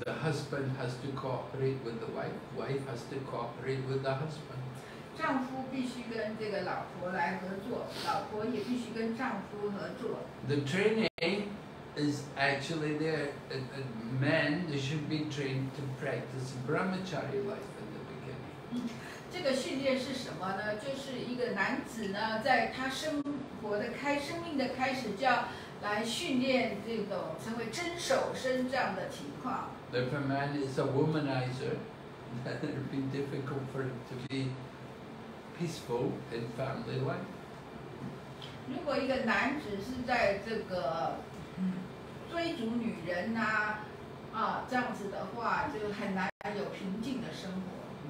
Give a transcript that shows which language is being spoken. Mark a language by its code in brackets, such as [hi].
[en] The husband has to cooperate with the wife. Wife has to cooperate with the husband. [zh] 丈夫必须跟这个老婆来合作，老婆也必须跟丈夫合作。 [en] The training is actually there. Men should be trained to practice brahmachari life in the beginning. [zh] 这个训练是什么呢？就是一个男子呢，在他生命的开始就要来训练这种成为真守身这样的情况。 [en] If a man is a womanizer, that it would be difficult for him to be peaceful in family life. [zh] 如果一个男子是在这个追逐女人这样子的话，就很难有平静的生活。